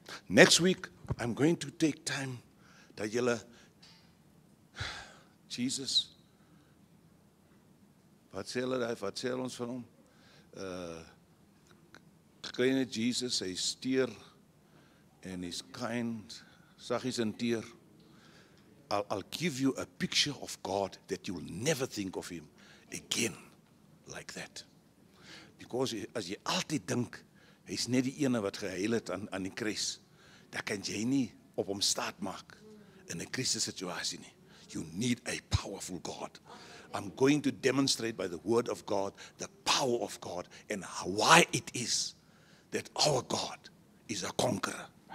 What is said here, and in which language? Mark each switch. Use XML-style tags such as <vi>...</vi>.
<en>Next week, I'm going to take time that you'll, Jesus,</en> <af>vertel ons van hom. Kleine Jesus, hy is teer en hy is kind, sagies en teer.</af> <en>I'll give you a picture of God that you'll never think of him again like that.</en> <af>Because as jy altyd dink, hy is net die ene wat geheel het aan die kruis, dan kan jy nie op hom staat maak in 'n krisis situasie nie.</af> <en>You need a powerful God. I'm going to demonstrate by the word of God, the power of God, and why it is that our God is a conqueror.</en>